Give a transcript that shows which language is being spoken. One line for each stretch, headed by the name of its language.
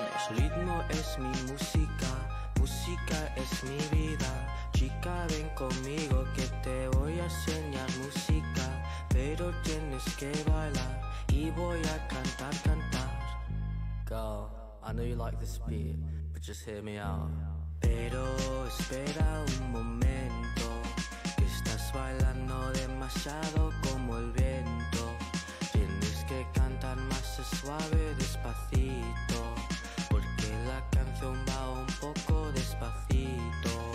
Spanish: Ritmo es mi música, música es mi vida. Chica, ven conmigo que te voy a enseñar música. Pero tienes que bailar y voy a cantar, cantar.
English: Girl, I know you like this beat, but just hear me out.
Spanish: Pero espera un momento, que estás bailando demasiado como el viento. Tienes que cantar más suave, despacito, porque la canción va un poco despacito.